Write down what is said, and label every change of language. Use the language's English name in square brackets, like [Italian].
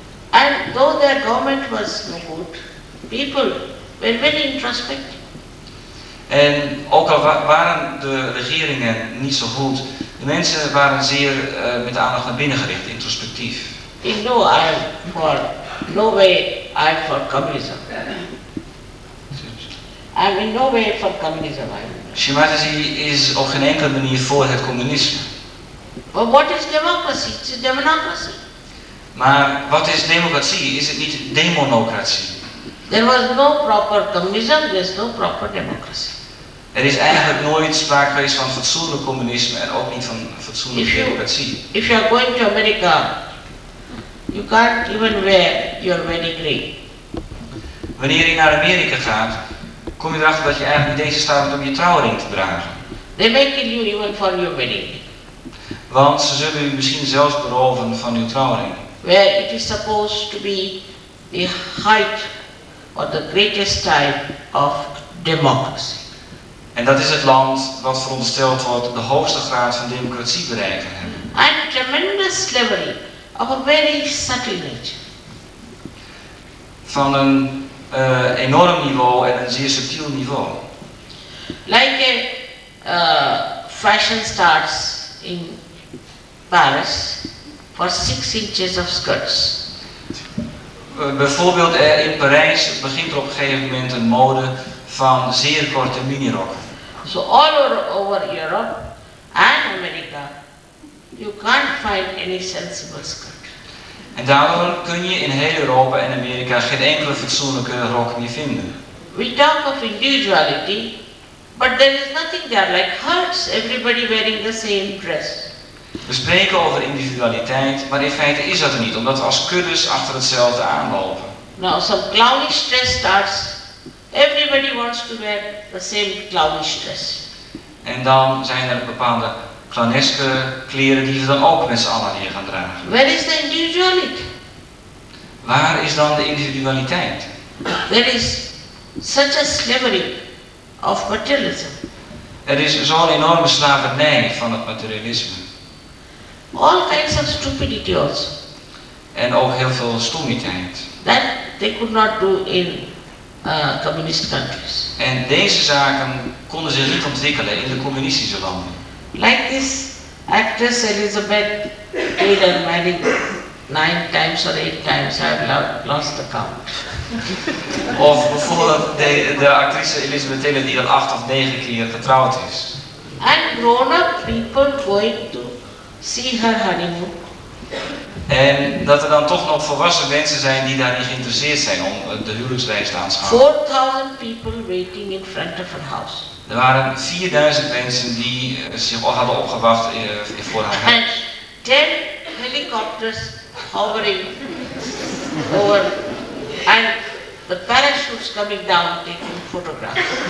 [English] And though their government was no good, people were very introspective. [Dutch] En ook al waren de regeringen niet zo goed, de mensen waren zeer met de aandacht naar binnen gericht, introspectief. [English] In no, I'm for, no way I'm for communism. I'm in no way for communism. [Dutch] H.H.Shri Mataji is op geen enkele manier voor het communisme. [English] But what is democracy? It's a democracy. [Dutch] Maar wat is democratie? Is het niet demonocratie? [English] There was no proper communism, there is no proper democracy. [Dutch] Er is eigenlijk nooit sprake geweest van fatsoenlijk communisme en ook niet van fatsoenlijke democratie. [English] If you are going to America, you can't even wear your wedding ring. [Dutch] Wanneer je naar Amerika gaat, kom je erachter dat je eigenlijk niet eens staat om je trouwring te dragen. [English] They make you even for your wedding. [Dutch] Want ze zullen je misschien zelfs beroven van je trouwring. [English] Where it is supposed to be the height. Or the greatest type of democracy. [Dutch] En dat is het land wat verondersteld wordt de hoogste graad van democratie bereikt te hebben. [English] At a tremendous level of a very subtle nature. [Dutch] Van een enorm niveau en een zeer subtiel niveau. [English] Like a fashion starts in Paris for 6 inches of skirts. [Dutch] Bijvoorbeeld in Parijs begint er op een gegeven moment een mode van zeer korte minirokken. [English] So all over Europe and America, you can't find any sensible skirt. [Dutch] En daarom kun je in heel Europa en Amerika geen enkele fatsoenlijke rok meer vinden. [English] We talk of individuality, but there is nothing there like hearts, everybody wearing the same dress. [Dutch] We spreken over individualiteit, maar in feite is dat er niet, omdat we als kuddes achter hetzelfde aanlopen. [English] Now some clownish dress starts. Everybody wants to wear the same clownish dress. [Dutch] En dan zijn er bepaalde clowneske kleren die ze dan ook met z'n allen hier gaan dragen. [English] Where is the individuality? [Dutch] Waar is dan de individualiteit? [English] There is such a slavery of materialism. [Dutch] Er is zo'n enorme slavernij van het materialisme. [English] All kinds of stupidity also. [Dutch] En ook heel veel stommiteit. [English] That they could not do in communist countries. [Dutch] En deze zaken konden ze niet ontwikkelen in de communistische landen. [English] Like this actress Elizabeth Taylor married 9 times or 8 times, I have lost the count. [Dutch] Of bijvoorbeeld de actrice Elizabeth Taylor die al 8 of 9 keer getrouwd is. [English] And grown-up people going to see her honeymoon. [Dutch] En dat er dan toch nog volwassen mensen zijn die daar niet geïnteresseerd zijn om de huwelijksreis te aanschouwen. [English] 4000 people waiting in front of her house. [Dutch] Er waren 4000 mensen die zich al hadden opgewacht voor haar huis. [English] And 10 helicopters hovering over and the parachutes coming down taking photographs.